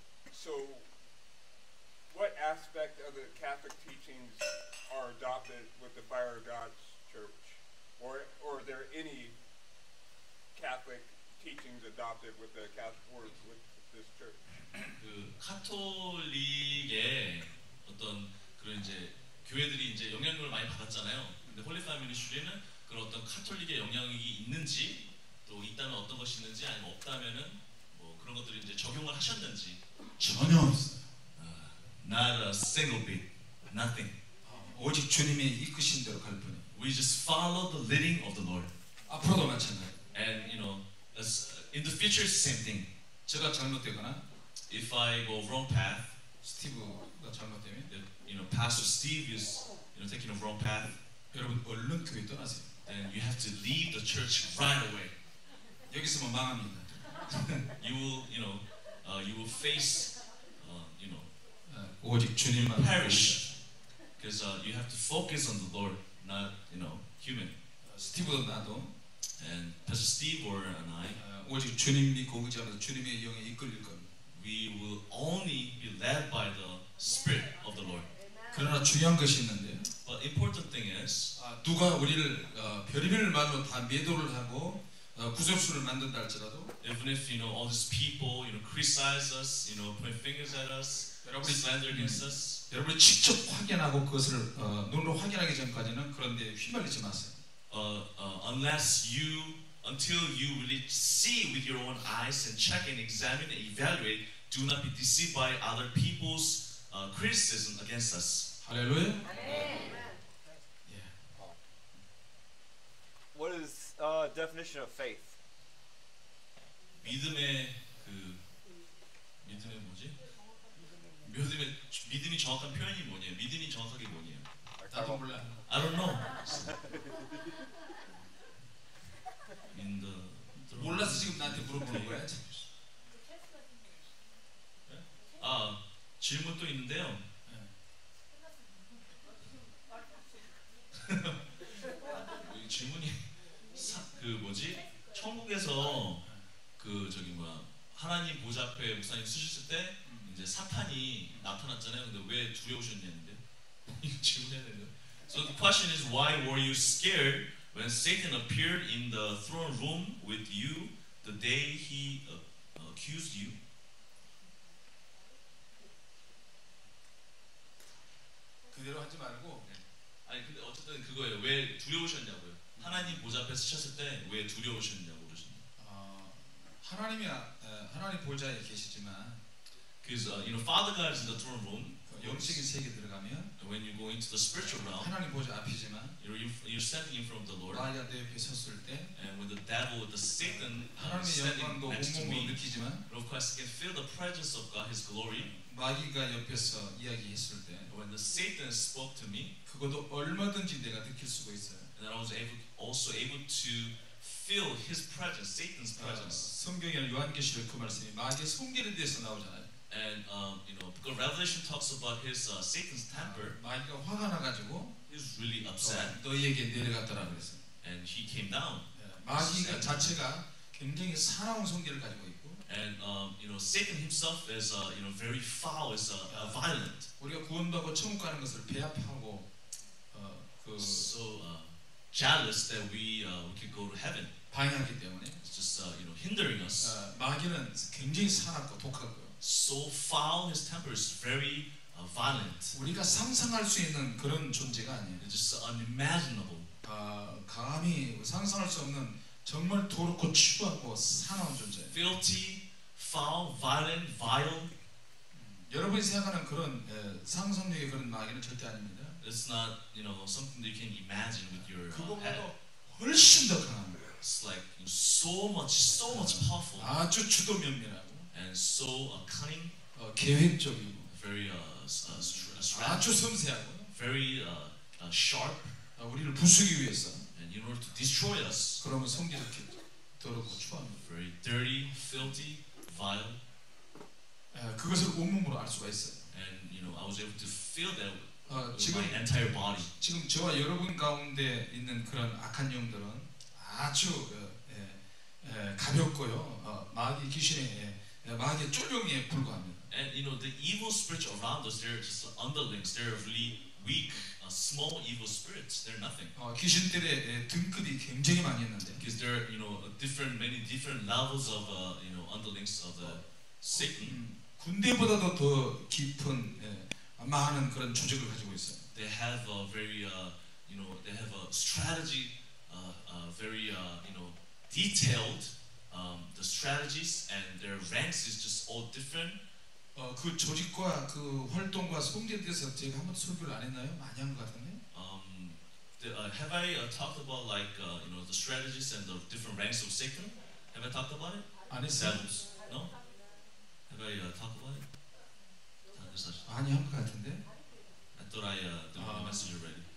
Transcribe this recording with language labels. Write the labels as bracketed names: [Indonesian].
[English] So what aspect of the Catholic teachings are adopted with the Fire of God church? Or are there any Catholic teachings adopted with the Catholic words with this church? [Korean] 그 카톨릭의 어떤 그런 이제 교회들이 이제 영향을 많이 받았잖아요. 근데 홀리 파미니스트리는 그런 어떤 카톨릭의 영향이 있는지 또 있다면 어떤 것이 있는지 아니면 없다면은 뭐 그런 것들을 이제 적용을 하셨는지 전혀 없어요. [English] Not a single bit. Nothing. [Korean] 오직 주님이 이끄신 대로 갈 뿐. [English] We just follow the leading of the Lord. [Korean] 앞으로도 마찬가지. [English] And you know, as in the future, same thing. [Korean] 제가 잘못되거나, [English] if I go wrong path, [Korean] 스티브가 잘못되면, [English] if, you know, Pastor Steve is, you know, taking a wrong path. [Korean] 여러분 얼른 교회 떠나세요. [English] Then you have to leave the church right away. [Korean] 여기서만 망합니다. [English] You will, you know, you will face, you know, [Korean] 오직 주님만 [English] perish. Because you have to focus on the Lord, not, you know, human. [Korean] 스티브도 나도. [English] And Pastor Steve or and I, [Korean] 오직 주님 믿고 의지하면서 주님의 영에 이끌릴 겁니다. [English] We will only be led by the Spirit of the Lord. [Korean] 그러나 중요한 것이 있는데, [English] but important thing is, [Korean] 누가 우리를 별의별 말로 다 매도를 하고 구접수를 만든다 할지라도, [English] even if you know all these people, you know, criticize us, you know, point fingers at us, slander against us, [Korean] 여러분 직접 확인하고 그것을 눈으로 확인하기 전까지는 그런데 휘말리지 마세요. [English] Unless you, until you really see with your own eyes and check and examine and evaluate, do not be deceived by other people's criticism against us. Hallelujah. Amen. Yeah. What is the definition of faith? [Korean] 믿음의 그 믿음의 뭐지? 믿음의 믿음이 정확한 표현이 뭐냐? 믿음이 정확하게 뭐냐? 나도 몰라. [English] I don't know. In the [Korean] 몰라서 지금 나한테 물어보는 거야? 네? 아 질문 또 있는데요. 네. 질문이 그 뭐지? 천국에서 그 저기 뭐야 하나님 보좌 앞에 목사님 쓰셨을 때 이제 사탄이 나타났잖아요. 근데 왜 두려우셨냐는데 질문해야 되는데. [English] So the question is, why were you scared when Satan appeared in the throne room with you the day he accused you? Yeah. [Korean] 아니, 근데 어쨌든 그거예요. 왜 두려우셨냐고요. 하나님 보좌 앞에 서셨을 때 왜 두려우셨냐고 그러셨나요? 하나님이 하나님 보좌에 계시지만 [English] Because you know, Father God is in the throne room. [Korean] 영적인 세계 들어가면, [English] when you go into the spiritual realm, [Korean] 하나님 보좌 앞이지만, [English] you're standing in front of the Lord. [Korean] 나의 앞에 섰을 때, [English] and with the devil, with the Satan, [Korean] 하나님의 영광도 온몸으로 느끼지만, [English] of course, you can feel the presence of God, His glory. [Korean] 마귀가 옆에서 이야기했을 때, [English] when the Satan spoke to me, [Korean] 그것도 얼마든지 내가 느낄 수가 있어요. [English] And I was also able to feel His presence, Satan's presence. [Korean] 성경에 요한계시록 그 말씀이 마귀의 손길에 대해서 나오잖아요. [English] And you know, because Revelation talks about his Satan's temper. [Korean] 마귀가 화가 나가지고. [English] He's really upset. [Korean] 너희에게 내려갔더라 그랬어. [English] And he came down. [Korean] 마귀가 자체가 굉장히 사나운 성질을 가지고 있고. [English] And you know, Satan himself is you know, very foul, is violent. [Korean] 우리가 구원받고 천국 가는 것을 배합하고 그 [English] so jealous that we could go to heaven. [Korean] 방해하기 때문에. [English] It's just you know, hindering us. [Korean] 마귀는 굉장히 사납고 독하고. [English] So foul, his temper is very violent. [Korean] 우리가 상상할 수 있는 그런 존재가 아니에요. [English] It's just unimaginable. [Korean] 감히 상상할 수 없는 정말 더럽고 추하고 사나운 존재. [English] Filthy, foul, violent, vile. [Korean] 여러분이 생각하는 그런 상상력의 그런 마귀는 절대 아닙니다. [English] It's not, you know, something that you can imagine with your head. [Korean] 그것보다 훨씬 더 강한 거예요. [English] It's like so much, so much powerful. [Korean] 아주 주도면밀하고. [English] And so cunning. [Korean] 계획적이고. [English] Very strategic. [Korean] 아주 섬세하고. [English] Very sharp. [Korean] 우리를 부수기 위해서. [English] And in order to destroy us. [Korean] 그러면 성질도 이렇게 더럽고 추한. [English] Very dirty, filthy, vile. [Korean] 그것을 온몸으로 알 수가 있어요. [English] And you know, I was able to feel that with my entire body. [Korean] 지금 저와 여러분 가운데 있는 그런 악한 영들은 아주 가볍고요. 마귀 귀신의 마귀 쫄병에 불과합니다. [English] And you know, the evil spirits around us, they're just underlings. They're really weak. Small evil spirits, they're nothing. [Korean] 귀신들의 등급이 굉장히 많이 있는데. [English] Because there are, you know, many different levels of, you know, underlings of the Satan. [Korean] 군대보다도 더 깊은 많은 그런 조직을 가지고 있어요. [English] They have a very, you know, they have a strategy, very, you know, detailed, the strategies and their ranks is just all different. [Korean] 그 조직과 그 활동과 성질에 대해서 제가 한번 설교를 안 했나요? 많이 한 것 같은데. [English] Have I talked about like you know, the strategies and the different ranks of Satan? Have I talked about it? [Korean] 안 했어요. [English] No? Have I talked about it? [Korean] 많이 한 것 같은데. [English] I thought I did my message already.